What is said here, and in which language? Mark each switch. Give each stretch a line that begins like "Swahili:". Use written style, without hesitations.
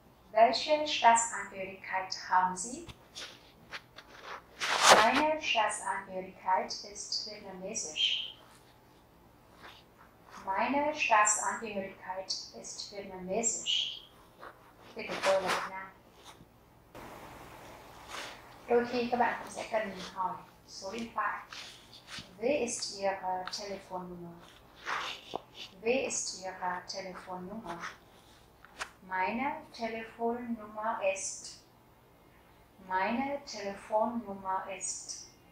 German: Welche Staatsangehörigkeit haben Sie? Meine Staatsangehörigkeit ist Vietnamesisch. Meine Staatsangehörigkeit ist Vietnamesisch. Bitte vorne nach.
Vietnamese: Đôi khi các bạn sẽ cần hỏi số điện thoại.
German: Wie ist Ihre Telefonnummer? Wie ist Ihre Telefonnummer? Meine Telefonnummer ist. Meine Telefonnummer ist.